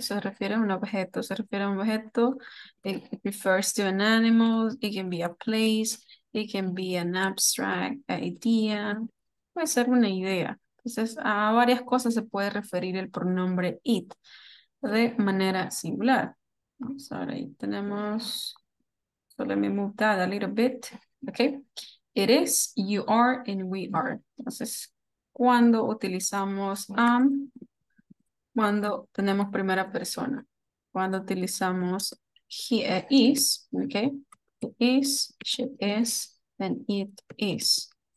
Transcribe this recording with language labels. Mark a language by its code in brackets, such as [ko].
[es] Se refiere a un objeto, [en] it refers to an animal, it can be a place, It can be an abstract idea. [es] Puede ser una idea. Entonces, a varias cosas se puede referir el pronombre it de manera singular. Vamos a ver, ahí tenemos. [en] So let me move that a little bit. Okay. It is, you are, and we are. [es] Entonces, cuando utilizamos am, cuando tenemos primera persona. Cuando utilizamos [en] he is, okay. It is, she is, and it is.